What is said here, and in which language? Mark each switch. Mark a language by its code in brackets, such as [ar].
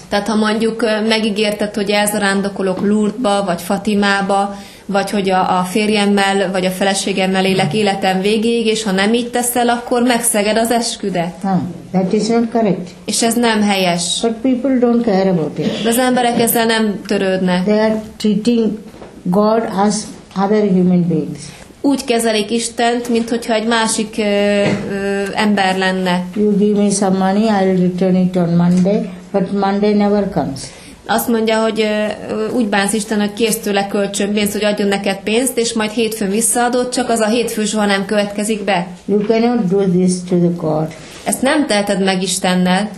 [hu] Tehát ha mondjuk megígérted, hogy elzarándokolok Lourdesba, vagy Fatimába, vagy hogy a férjemmel, vagy a feleségemmel élek életem végéig, és ha nem így teszel, akkor megszeged az esküdet. [en] That is not correct. [hu] És ez nem helyes. [en] But people don't care about it. [hu] De az emberek ezzel nem törődnek. [en] They are treating God as other human beings. [hu] Úgy kezelik Istent, mint hogyha egy másik ember lenne. [en] You give me some money, I'll return it on Monday, but Monday never comes. [hu] Azt mondja, hogy úgy bánsz Isten, hogy kérsz tőle kölcsön pénzt, hogy adjon neked pénzt, és majd hétfőn visszaadod, csak az a hétfő soha nem következik be. [en] You cannot do this to the God. [hu] Ezt nem teheted meg Istennel.